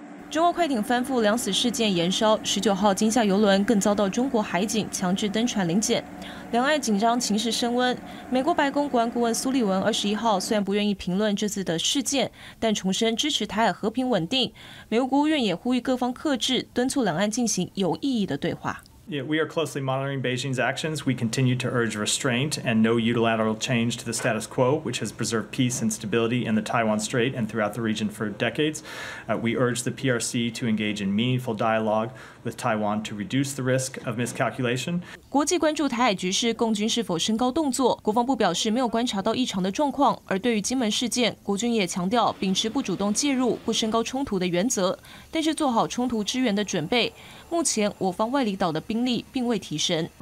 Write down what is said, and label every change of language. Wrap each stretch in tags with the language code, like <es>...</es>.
<zh>中国快艇翻覆两死事件延烧，19号金厦邮轮更遭到中国海警强制登船临检，两岸紧张情势升温。美国白宫国安顾问苏利文21号虽然不愿意评论这次的事件，但重申支持台海和平稳定。美国国务院也呼吁各方克制，敦促两岸进行有意义的对话。</zh> <en>Yeah, we are closely monitoring Beijing's actions. We continue to urge restraint and no unilateral change to the status quo, which has preserved peace and stability in the Taiwan Strait and throughout the region for decades. We urge the PRC to engage in meaningful dialogue with Taiwan to reduce the risk of miscalculation.</en> <zh>国际关注台海局势，共军是否升高动作？国防部表示没有观察到异常的状况。而对于金门事件，国军也强调秉持不主动介入、不升高冲突的原则，但是做好冲突支援的准备。目前我方外离岛的兵力并未提升，</zh>